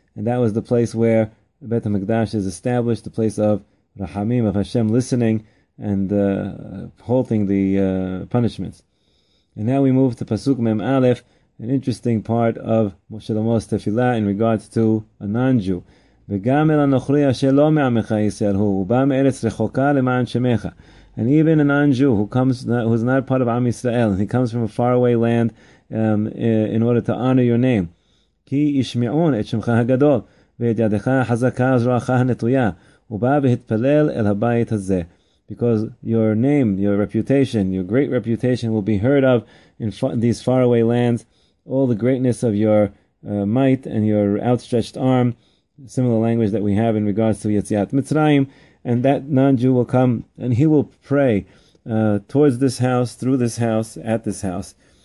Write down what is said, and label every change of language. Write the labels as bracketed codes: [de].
[en] And that was the place where Beit HaMikdash is established, the place of Rahamim, of Hashem listening and halting the punishments. And now we move to Pasuk Mem Aleph, an interesting part of Moshe Lamo's tefillah in regards to a non-Jew. [he] וגם אל הנוכרי אשר לא מעמך ישראל הוא, הוא בא מארץ רחוקה למען שמך. [en] And even a non-Jew who's not part of Am Yisrael, he comes from a faraway land in order to honor your name. [he] כי ישמעון את שמך הגדול, ואת ידך החזקה וזרועך הנטויה, הוא בא והתפלל אל הבית הזה. [en] Because your name, your reputation, your great reputation will be heard of in these faraway lands, all the greatness of your might and your outstretched arm, similar language that we have in regards to Yetziat Mitzrayim, and that non-Jew will come and he will pray towards this house, through this house, at this house.